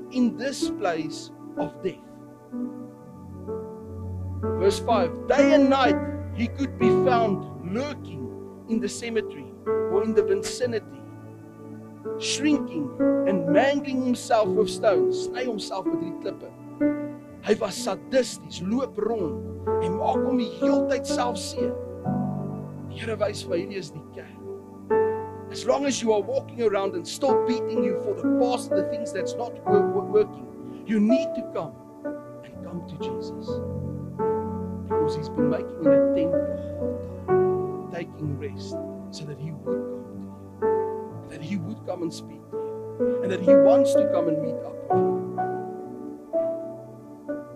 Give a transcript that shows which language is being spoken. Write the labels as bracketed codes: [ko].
[en] in this place of death. Verse 5, day and night he could be found lurking in the cemetery or in the vicinity, shrinking and mangling himself with stones, [af] sny homself met die klippe. Hy was sadisties, loop rond en maak hom die heeltyd self seer. Die Here wys vir hierdie is die kerk. [en] As long as you are walking around and still beating you for the past, the things that's not working, you need to come and come to Jesus. Because he's been making an attempt the whole time, taking rest so that he would come to you, that he would come and speak to you, and that he wants to come and meet up with you.